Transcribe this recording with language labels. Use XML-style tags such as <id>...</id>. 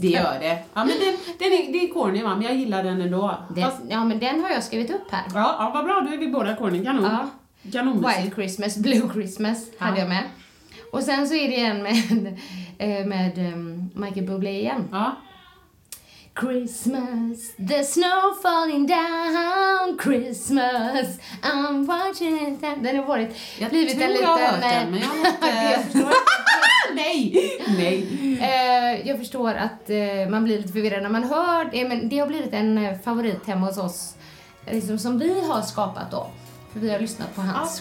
<sv>Det gör det. Ja, men det är corny, va? Men jag gillar den ändå. Ja, men den har jag skrivit upp här. Ja, vad bra. Då är vi båda corny. Kanon. Ja. Kanonmusik. White Christmas, Blue Christmas hade jag med. Och sen så är det igen med Michael Bublé igen. Ja.</sv> <en>Christmas, the snow falling down, Christmas, I'm watching it.</en> <sv>Den har varit, jag blivit en liten... Jag tror jag har hört den, men jag har inte... Nej. Jag förstår att man blir lite förvirrad när man hör det, men det har blivit en favorit hemma hos oss. liksom, som vi har skapat då. För vi har lyssnat på hans</sv>